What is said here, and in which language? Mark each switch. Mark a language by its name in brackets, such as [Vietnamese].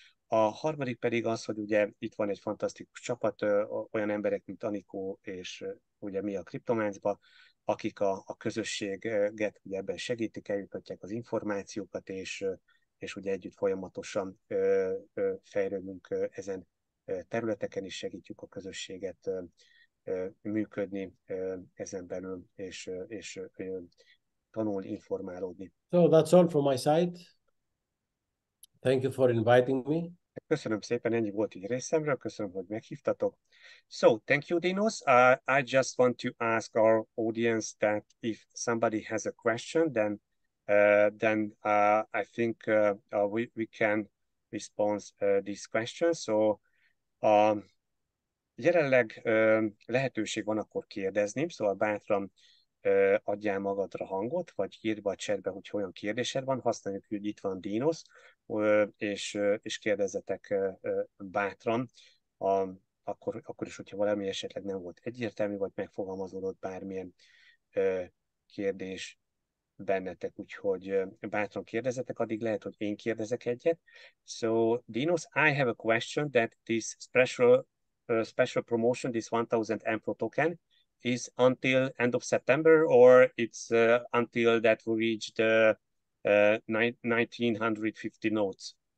[Hungarian] A harmadik pedig az, hogy ugye itt van egy fantasztikus csapat, olyan emberek, mint Anikó és ugye mi a Kriptománcban, akik a közösséget ugye ebben segítik, eljutatják az információkat, és ugye együtt folyamatosan fejlődünk ezen területeken is, segítjük a közösséget működni ezen belül, és tanulni, informálódni. [English] So that's all from my side. Thank you for inviting me. [Hungarian] Köszönöm szépen, ennyi volt így részemről, köszönöm, hogy meghívtatok. [English] So, thank you, Dinos. I just want to ask our audience that if somebody has a question, then I think we can respond this question. [Hungarian] So, jelenleg lehetőség van akkor kérdezni, szóval bátran adjál magadra hangot, vagy írd be a chatbe, hogy olyan kérdésed van, használjuk, hogy itt van Dinos, és kérdezzetek bátran, akkor is, hogyha valami esetleg nem volt egyértelmű, vagy megfogalmazódott bármilyen kérdés bennetek, úgyhogy bátran kérdezzetek, addig lehet, hogy én kérdezek egyet. [English] So, Dinos, I have a question that this special promotion, this 1000 AMPRO token, is until end of September, or it's until that we reach the 1950 nodes?